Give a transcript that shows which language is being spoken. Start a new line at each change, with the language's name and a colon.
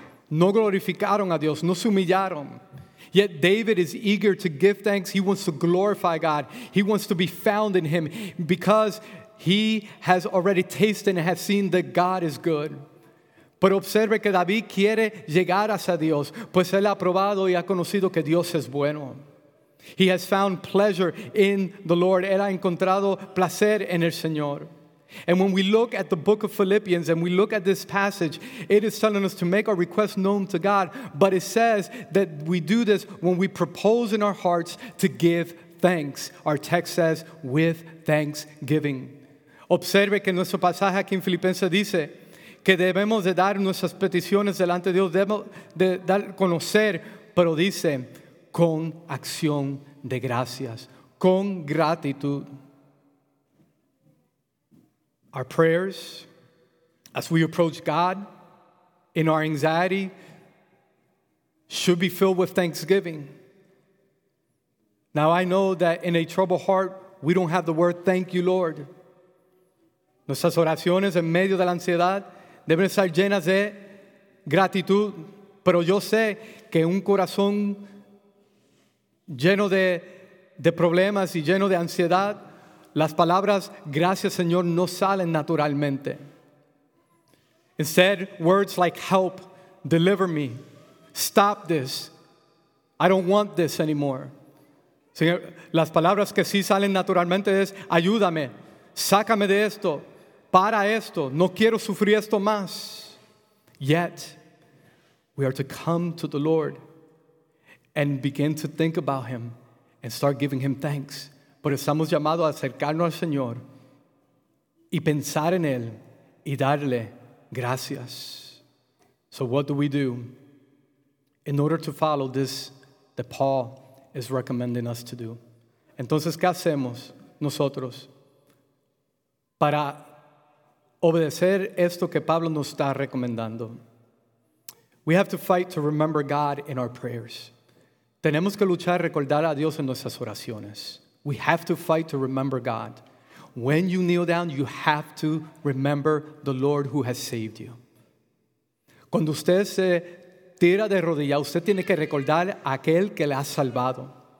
Spanish: no glorificaron a Dios, no se humillaron.
English: Yet David is eager to give thanks. He wants to glorify God. He wants to be found in him because he has already tasted and has seen that God is good.
Spanish: Pero observe que David quiere llegar hacia Dios, pues él ha probado y ha conocido que Dios es bueno.
English: He has found pleasure in the Lord.
Spanish: Él ha encontrado placer en el Señor.
English: And when we look at the book of Philippians and we look at this passage, it is telling us to make our request known to God, but it says that we do this when we propose in our hearts to give thanks. Our text says, with thanksgiving.
Spanish: Observe que nuestro pasaje aquí en Filipenses dice que debemos de dar nuestras peticiones delante de Dios, debemos de dar conocer, pero dice, con acción de gracias, con gratitud.
English: Our prayers, as we approach God in our anxiety, should be filled with thanksgiving. Now I know that in a troubled heart, we don't have the word thank you, Lord.
Spanish: Nuestras oraciones en medio de la ansiedad deben estar llenas de gratitud. Pero yo sé que un corazón lleno de problemas y lleno de ansiedad, las palabras gracias Señor no salen naturalmente.
English: Instead, words like help, deliver me, stop this, I don't want this anymore.
Spanish: Señor, las palabras que sí salen naturalmente es ayúdame, sácame de esto, para esto, no quiero sufrir esto más.
English: Yet, we are to come to the Lord and begin to think about him and start giving him thanks.
Spanish: Pero estamos llamados a acercarnos al Señor y pensar en él y darle gracias.
English: So what do we do in order to follow this that Paul is recommending us to do?
Spanish: Entonces, ¿qué hacemos nosotros para obedecer esto que Pablo nos está recomendando?
English: We have to fight to remember God in our prayers.
Spanish: Tenemos que luchar a recordar a Dios en nuestras oraciones.
English: We have to fight to remember God. When you kneel down, you have to remember the Lord who has saved you.
Spanish: Cuando usted se tira de rodilla, usted tiene que recordar a aquel que le ha salvado.